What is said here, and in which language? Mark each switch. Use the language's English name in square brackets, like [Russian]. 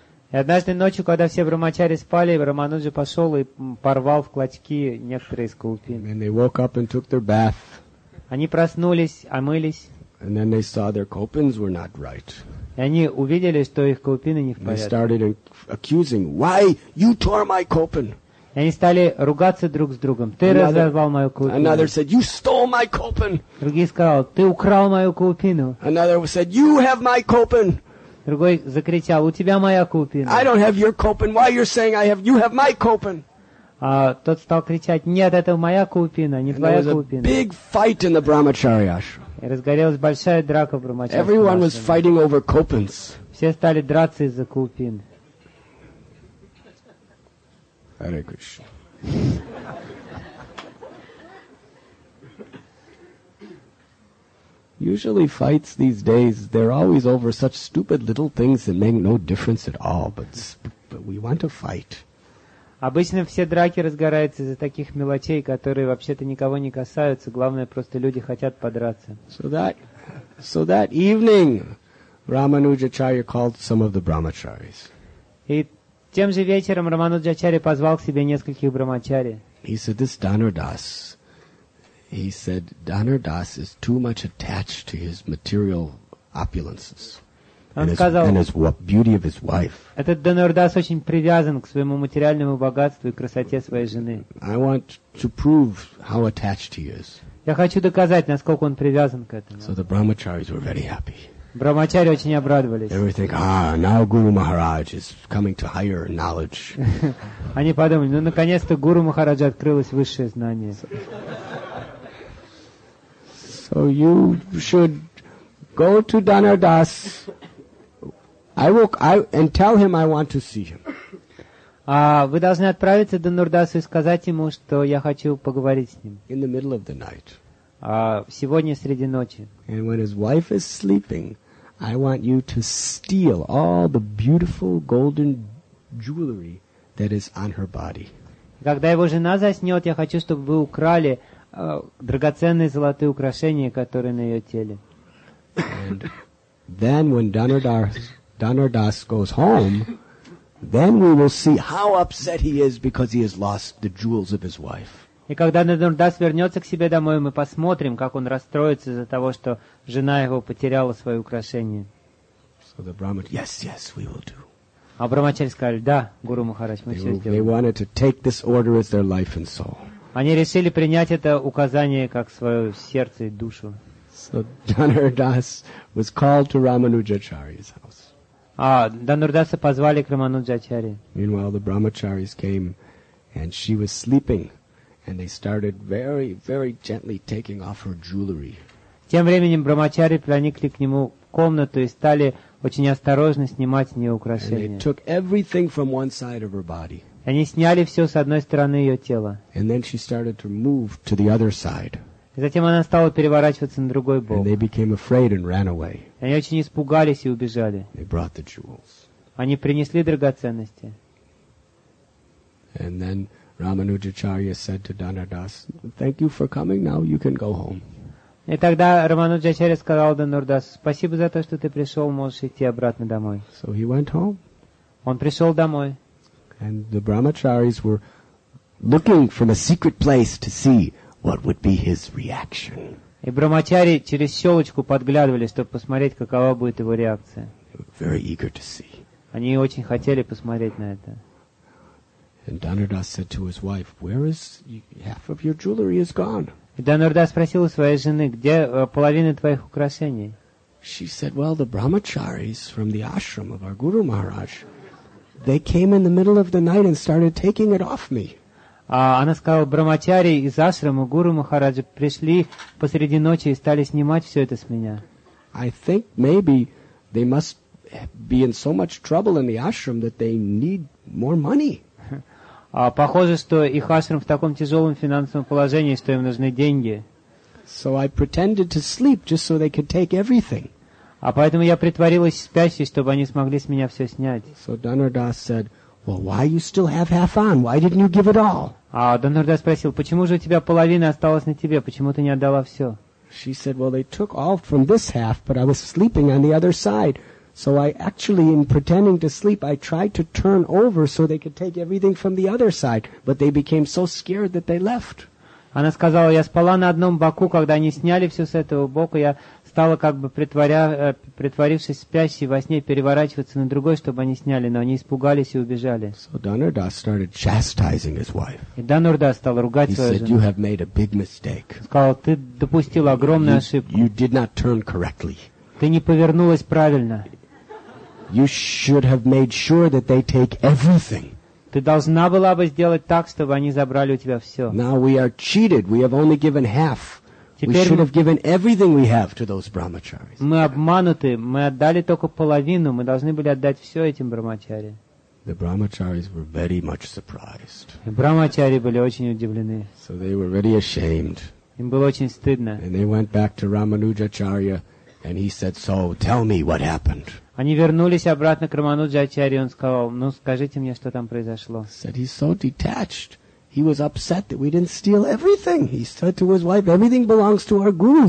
[Russian] И однажды ночью, когда все брахмачари спали, Рамануджа пошел и порвал в клочки некоторые из каупин. [English] And they woke up and took their bath. [Russian] Они проснулись, омылись. [English] And then they saw their kopans were not right. [Russian] И они увидели, что их каупины не в порядке. [English] They started accusing, "Why you tore my kopan?" [Russian] И они стали ругаться друг с другом. Ты разорвал мою каупину. [English] Another said, "You stole my kopan." [Russian] Другой сказал, "Ты украл мою каупину." [English] Another said, "You have my kopan." [Russian] Другой закричал, "У тебя моя каупина." [English] I don't have your kopan. Why you're saying I have? You have my kopan. [Russian] А тот стал кричать, "Нет, это моя каупина, не твоя каупина." [English] Big fight in the brahmacharya ashram. [Russian] И разгорелась большая драка в Брамачарье. [English] Everyone was fighting over kopans. [Russian] Все стали драться из-за каупин. [English] Hare Krishna. Usually fights these days, they're always over such stupid little things that make no difference at all, but we want to fight. [Russian] Обычно все драки разгораются из-за таких мелочей, которые вообще-то никого не касаются. Главное, просто люди хотят подраться. [English] So that evening, Рамануджачарья called some of the brahmacharis. [Russian] И тем же вечером Рамануджачарья позвал к себе нескольких брахмачари. [English] He said, "This Dhanur Das. He said, Dhanur Das is too much attached to his material opulences." And his beauty of his wife. [Russian] Этот Dhanur Das очень привязан к своему материальному богатству и красоте своей жены. [English] I want to prove how attached he is. [Russian] Я хочу доказать, насколько он привязан к этому. [English] So the brahmacharis were very happy. [Russian] Брахмачари очень обрадовались. [English] They were thinking, now Guru Maharaj is coming to higher knowledge. [Russian] Они подумали, ну наконец-то Гуру Махараджа открылось высшее знание. [English] So you should go to Dhanur Das. And tell him I want to see him. [Russian] Вы должны отправиться до Нурдасу и сказать ему, что я хочу поговорить с ним. [English] In the middle of the night. [Russian] Сегодня среди ночи. [English] And when his wife is sleeping, I want you to steal all the beautiful golden jewelry that is on her body. [Russian] Когда его жена заснет, я хочу, чтобы вы украли драгоценные золотые украшения, которые на ее теле. [English] And then when Dhanur Das goes home, then we will see how upset he is because he has lost the jewels of his wife. [Russian] И когда Dhanur Das вернется к себе домой, мы посмотрим, как он расстроится из-за того, что жена его потеряла свои украшения. [English] So the Brahmacharis, yes, we will do. [Russian] А Брахмачари сказали, да, Гуру Махарадж, мы все сделаем. [English] They wanted to take this order as their life and soul. [Russian] Они решили принять это указание как свое сердце и душу. [English] So Dhanur Das was called to Ramanujacharya's house. [Russian] Dhanur Dasa позвали к Рамануджачарье. [English] Meanwhile, the brahmacharis came, and she was sleeping, and they started very, very gently taking off her jewelry. [Russian] Тем временем брахмачари проникли к нему в комнату и стали очень осторожно снимать с нее украшения. [English] And they took everything from one side of her body. [Russian] Они сняли все с одной стороны ее тела. [English] And then she started to move to the other side. [Russian] Затем она стала переворачиваться на другой бок. [English] And they became afraid and ran away. [Russian] Они очень испугались и убежали. [English] They brought the jewels. [Russian] Они принесли драгоценности. [English] And then Ramanujacharya said to Dhanadas, "Thank you for coming. Now you can go home." [Russian] И тогда Рамануджачарья сказал Дханурдасу: "Спасибо за то, что ты пришел, можешь идти обратно домой." [English] So he went home. [Russian] Он пришел домой. [English] And the brahmacharis were looking from a secret place to see what would be his reaction. [Russian] И брахмачари через селочку подглядывали, чтобы посмотреть, какова будет его реакция. [English] They were very eager to see. [Russian] Они очень хотели посмотреть на это. [English] And Dhanurdas said to his wife, "Where is half of your jewelry is gone?" [Russian] И Дханурдас спросил у своей жены, где половина твоих украшений. [English] She said, "Well, the brahmacharis from the ashram of our Guru Maharaj, they came in the middle of the night and started taking it off me." [Russian] Она сказала, брахмачари из ашрама Гуру Махараджа пришли посреди ночи и стали снимать все это с меня. [English] I think maybe they must be in so much trouble in the ashram that they need more money. [Russian] Похоже, что их ашрам в таком тяжелом финансовом положении, что им нужны деньги. [English] So I pretended to sleep just so they could take everything. [Russian] Поэтому я притворилась спящей, чтобы они смогли с меня все снять. [English] So Dhanurdas said, "Well, why you still have half on? Why didn't you give it all?" [Russian] Дханурдас спросил, почему же у тебя половина осталась на тебе? Почему ты не отдала все? [English] She said, "Well, they took all from this half, but I was sleeping on the other side. So I actually, in pretending to sleep, I tried to turn over so they could take everything from the other side, but they became so scared that they left." [Russian] Она сказала, я спала на одном боку, когда они сняли все с этого бока, я стала как бы притворившись спящей во сне, переворачиваться на другой, чтобы они сняли, но они испугались и убежали. [English] So Dhanurdas started chastising his wife. [Russian] И Дханурдас стал ругать свою жену. [English] He said, "You have made a big mistake." [Russian] Сказал, ты допустил огромную ошибку. [English] You did not turn correctly. [Russian] Ты не повернулась правильно. [English] You should have made sure that they take everything. [Russian] Ты должна была бы сделать так, чтобы они забрали у тебя все. [English] Now we are cheated. We have only given half. [Russian] Теперь [English] we should have given everything we have to those brahmacharis. [Russian] Мы обмануты. Мы отдали только половину. Мы должны были отдать все этим брахмачари. [English] The brahmacharis were very much surprised. [Russian] Брахмачари были очень удивлены. [English] So they were very ashamed. [Russian] Им было очень стыдно. [English] And they went back to Ramanujacharya, and he said, "So tell me what happened." [Russian] Они вернулись обратно к Рамануджачарье, и он сказал, ну, скажите мне, что там произошло. [English] Said he's so detached. He was upset that we didn't steal everything. He said to his wife, "Everything belongs to our guru.